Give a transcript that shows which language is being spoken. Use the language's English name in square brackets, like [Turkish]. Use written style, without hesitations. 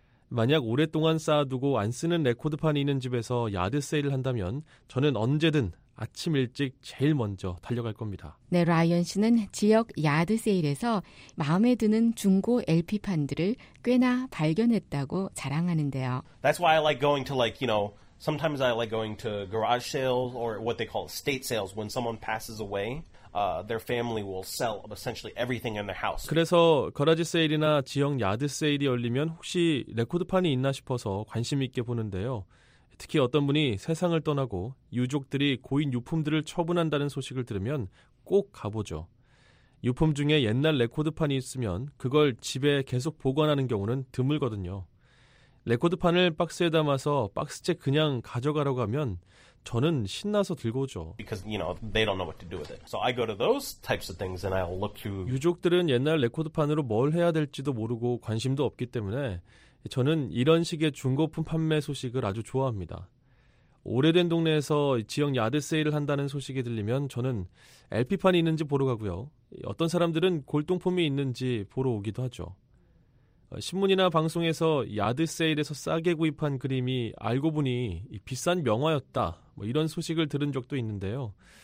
[Korean] 만약 오랫동안 쌓아두고 안 쓰는 레코드판이 있는 집에서 야드 세일을 한다면 저는 언제든 아침 일찍 제일 먼저 달려갈 겁니다. 네, 라이언 씨는 지역 야드 세일에서 마음에 드는 중고 LP판들을 꽤나 발견했다고 자랑하는데요. [English] That's why I like going to like, you know, sometimes I like going to garage sales or what they call estate sales when someone passes away. Their family will sell essentially everything in their house. [Korean] 그래서 거라지 세일이나 지역 야드 세일이 열리면 혹시 레코드판이 있나 싶어서 관심 있게 보는데요. 특히 어떤 분이 세상을 떠나고 유족들이 고인 유품들을 처분한다는 소식을 들으면 꼭 가보죠. 유품 중에 옛날 레코드판이 있으면 그걸 집에 계속 보관하는 경우는 드물거든요. 레코드판을 박스에 담아서 박스째 그냥 가져가라고 하면 저는 신나서 들고 오죠. [English] Because you know they don't know what to do with it. So I go to those types of things and I'll look through. [Korean] 유족들은 옛날 레코드판으로 뭘 해야 될지도 모르고 관심도 없기 때문에 저는 이런 식의 중고품 판매 소식을 아주 좋아합니다. 오래된 동네에서 지역 야드 세일을 한다는 소식이 들리면 저는 LP판이 있는지 보러 가고요. 어떤 사람들은 골동품이 있는지 보러 오기도 하죠. 신문이나 방송에서 야드 세일에서 싸게 구입한 그림이 알고 보니 비싼 명화였다 뭐 이런 소식을 들은 적도 있는데요.